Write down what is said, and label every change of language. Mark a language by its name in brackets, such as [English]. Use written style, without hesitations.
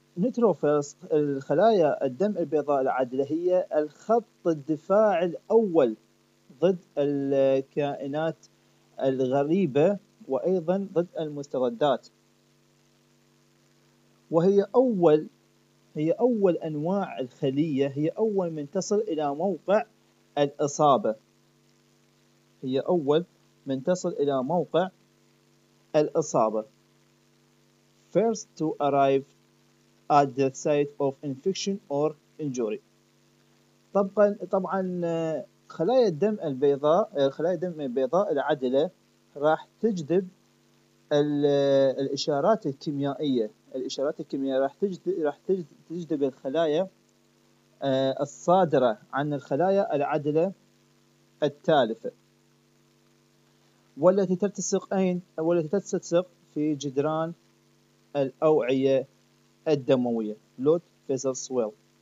[Arabic] نيتروفيلز الخلايا الدم البيضاء العادلة هي الخط الدفاع الأول ضد الكائنات الغريبة وأيضا ضد المستردات، وهي أول أنواع الخلية، هي أول من تصل إلى موقع الإصابة، هي أول من تصل إلى موقع الإصابة. [English] First to arrive at the site of infection or injury. [Arabic] طبعا خلايا الدم البيضاء، خلايا الدم البيضاء العدلة راح تجذب الإشارات الكيميائية، الإشارات الكيميائية راح تجذب الخلايا الصادرة عن الخلايا العدلة التالفة، والتي تلتصق أين؟ والتي تلتصق في جدران الأوعية الدموية blood vessels well.